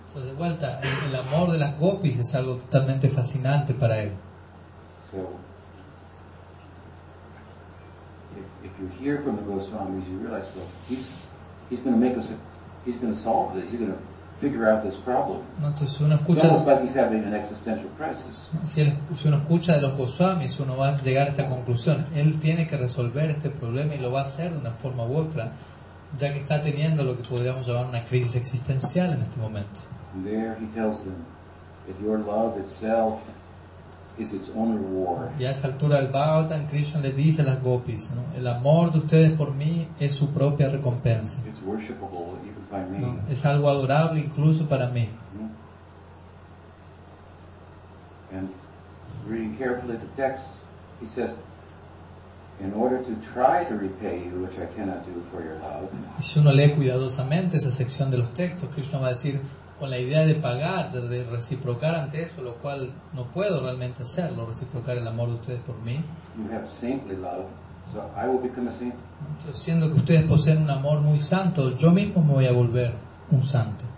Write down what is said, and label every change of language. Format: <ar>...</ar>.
<es>Pues de vuelta, el amor de las gopis es algo totalmente fascinante para él.</es> <en>So, if you hear from the Goswamis, you realize, well, he's going to make us, he's going to solve this, he's going to figure out this problem.</en> <es>No, entonces uno escucha.</es> <en>It's almost like he's having an existential crisis.</en> <es>Si uno escucha de los Goswamis, uno va a llegar a esta conclusión. Él tiene que resolver este problema y lo va a hacer de una forma u otra. Ya que está teniendo lo que podríamos llamar una crisis existencial en este momento.</es> <en>There he tells them that your love itself is its own reward.</en> <es>Y a esa altura del Bhagavatam, Krishna le dice a las gopis, ¿no? El amor de ustedes por mí es su propia recompensa.</es> <en>It's worshipable even by me.</en> <es>¿No? Es algo adorable incluso para mí.</es> <en>And reading carefully the text, he says, in order to try to repay you, which I cannot do for your love.</en> <es>Si uno lee cuidadosamente esa sección de los textos, Krishna va a decir, con la idea de pagar, de reciprocar ante eso, lo cual no puedo realmente hacerlo, reciprocar el amor de ustedes por mí.</es> <en>You have saintly love, so I will become a saint.</en> <es>Entonces, siendo que ustedes poseen un amor muy santo, yo mismo me voy a volver un santo.</es>